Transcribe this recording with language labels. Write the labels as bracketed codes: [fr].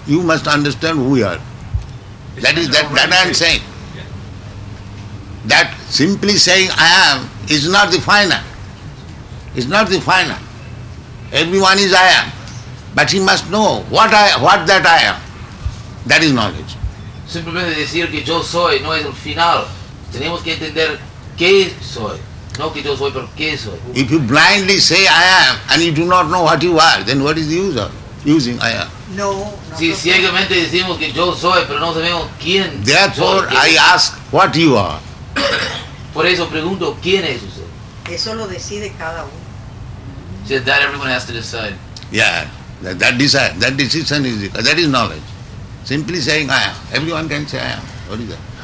[en] You must understand who you are. That I am saying. That simply saying I am is not the final. It's not the final. Everyone is I am. But he must know what that I am. That is knowledge. [es] Simplemente decir que yo soy no es el final. Tenemos que entender qué soy. No que yo soy, pero qué soy. [en] If you blindly say I am and you do not know what you are, then what is the use of using I am? No. [es] Si ciegamente decimos que yo soy, pero no sabemos quién soy. [en] Therefore, I ask what you are. [es] Por eso pregunto, ¿quién es usted? Eso lo decide cada uno. [en] So that everyone has to decide. Yeah, that decision is, that is knowledge. Simply saying I am. Everyone can say I am. What is that?